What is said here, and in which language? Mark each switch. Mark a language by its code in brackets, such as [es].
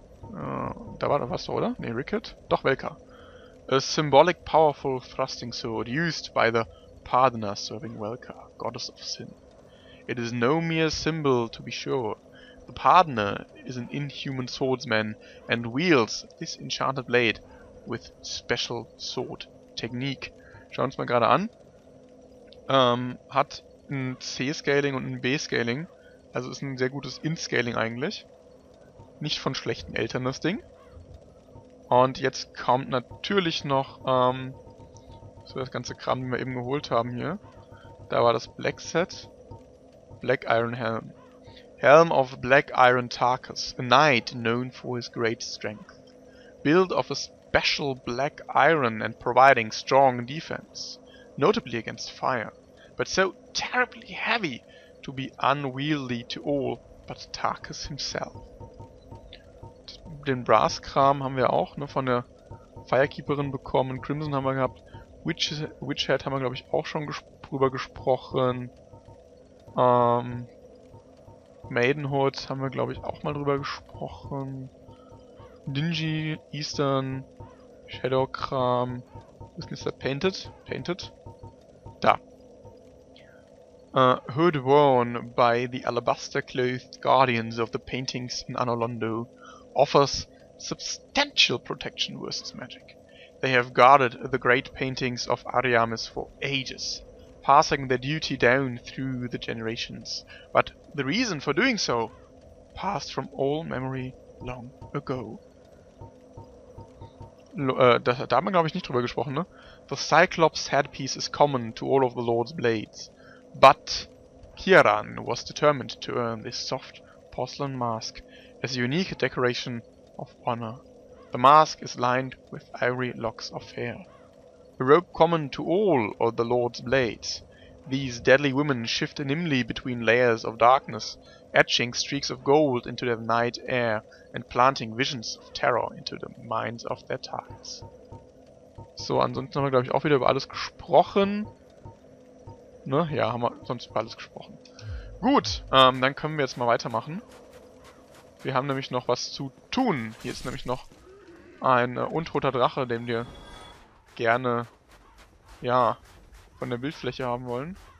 [de] Da war doch was, oder? Ne, Rickett. Doch, Welkar. [en] A symbolic powerful thrusting sword used by the Pardoner serving Welkar, goddess of sin. It is no mere symbol, to be sure. The Pardoner is an inhuman swordsman and wields this enchanted blade with special sword technique. [de] Schauen wir uns mal gerade an. Hat ein C-Scaling und ein B-Scaling. Also ist ein sehr gutes In-Scaling eigentlich. Nicht von schlechten Eltern, das Ding. Und jetzt kommt natürlich noch so das ganze Kram, den wir eben geholt haben hier. Da war das Black Set. Black Iron Helm. [en] Helm of Black Iron Tarkus, a knight known for his great strength. Built of a special black iron and providing strong defense, notably against fire, but so terribly heavy to be unwieldy to all but Tarkus himself. [de] Den Brasskram haben wir auch, ne, von der Firekeeperin bekommen. Crimson haben wir gehabt. Witch Hat haben wir, glaube ich, auch schon drüber gesprochen. Maidenhood haben wir, glaube ich, auch mal drüber gesprochen. Dingy, Eastern, Shadowkram. Was ist da? Painted? Painted? Da. [en] Hood worn by the alabaster-clothed guardians of the paintings in Anor Londo offers substantial protection versus magic. They have guarded the great paintings of Ariamis for ages, passing their duty down through the generations. But the reason for doing so passed from all memory long ago. [de] Da haben wir, glaube ich, nicht drüber gesprochen, ne? [en] The Cyclops headpiece is common to all of the Lord's blades, but Kieran was determined to earn this soft porcelain mask as a unique decoration of honor. The mask is lined with ivory locks of hair. A robe common to all of the Lord's blades. These deadly women shift nimbly between layers of darkness, etching streaks of gold into the night air and planting visions of terror into the minds of their targets. [de] So, ansonsten haben wir, glaube ich, auch wieder über alles gesprochen. Ne? Ja, haben wir sonst über alles gesprochen. Gut, dann können wir jetzt mal weitermachen. Wir haben nämlich noch was zu tun. Hier ist nämlich noch ein untoter Drache, den wir gerne, ja, von der Bildfläche haben wollen.